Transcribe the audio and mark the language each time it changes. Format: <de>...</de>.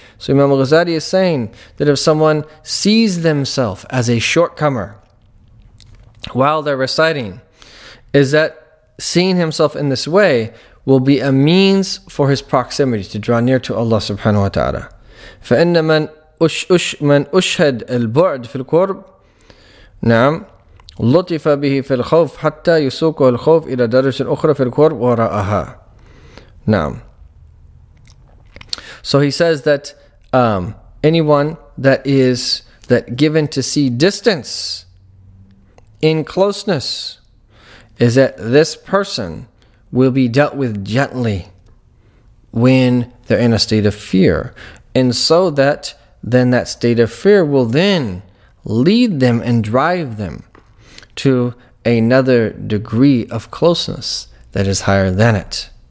<en>So Imam Ghazali is saying that if someone sees themselves as a shortcomer while they're reciting, is that seeing himself in this way will be a means for his proximity to draw near to Allah subhanahu wa ta'ala.</en> <ar>فَإِنَّ مَنْ أُشْهَدْ الْبُعْدِ فِي الْقُرْبِ. نعم لطف به في الخوف حتى يسوقه الخوف إلى درجة أخرى في الكرب وراءها. نعم.</ar> <en>So he says that anyone that is that given to see distance in closeness is that this person will be dealt with gently when they're in a state of fear, and so that then that state of fear will then lead them and drive them to another degree of closeness that is higher than it.</en>